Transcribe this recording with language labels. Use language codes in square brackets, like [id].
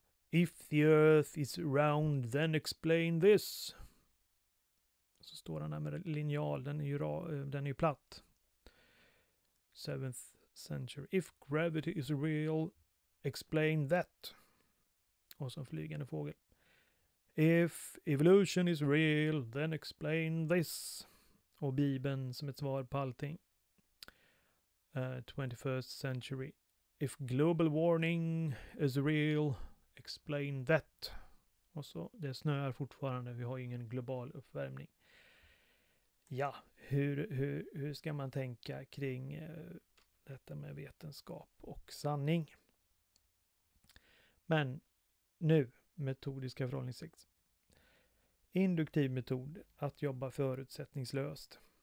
[en] If the earth is round, then explain this. [sv] Så står den här med linjal, den är ju platt. [en] 7th century. If gravity is real, explain that. [sv] Och så en flygande fågel. [en] If evolution is real, then explain this. [sv] Och Bibeln som ett svar på allting. [en] 21st century. If global warming is real, explain that. [sv] Och så, det snöar fortfarande, vi har ju ingen global uppvärmning. Ja, hur ska man tänka kring detta med vetenskap och sanning? Men nu, metodiska förhållningssätt. Induktiv metod, att jobba förutsättningslöst.